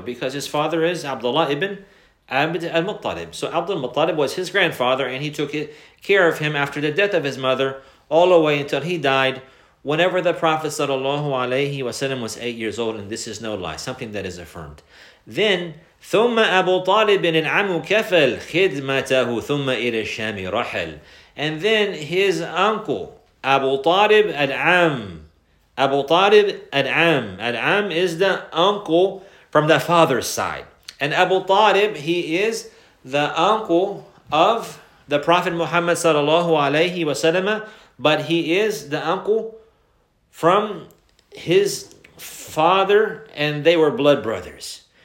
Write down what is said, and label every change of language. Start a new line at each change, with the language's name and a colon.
English: Because his father is Abdullah ibn Abd al-Muttalib. So Abd al-Muttalib was his grandfather and he took care of him after the death of his mother all the way until he died whenever the Prophet sallallahu alayhi wa sallam was 8 years old, and this is no lie, something that is affirmed.
Arabic: Then, ثم أبو طالب العم كفل خدمته ثم إلى الشام رحل.
English: And then his uncle, Abu Talib al-Am. Al-Am is the uncle from the father's side. And Abu Talib, he is the uncle of the Prophet Muhammad sallallahu alayhi wa sallam, but he is the uncle from his father, and they were blood brothers.